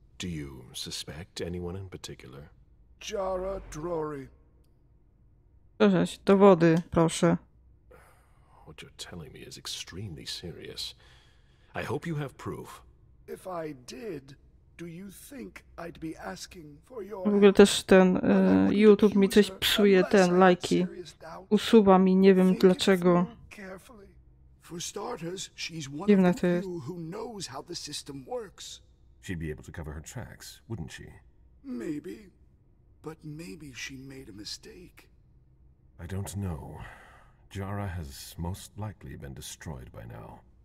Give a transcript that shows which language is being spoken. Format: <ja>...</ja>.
<en>Do you suspect anyone in particular? Jara, Drory.</en> <pl>Proszę, dowody, proszę.</pl> <en>What you're telling me is extremely serious. I hope you have proof. If I did, do you think I'd be asking for your...</en> <pl>W ogóle też ten YouTube mi coś psuje, ten lajki. Usuwa mi, nie wiem dlaczego.</pl> <en>For starters, she's one of the few who knows how the system works. She'd be able to cover her tracks, wouldn't she? Maybe. But maybe she made a mistake. I don't know. Jara has most likely been destroyed by now.</en>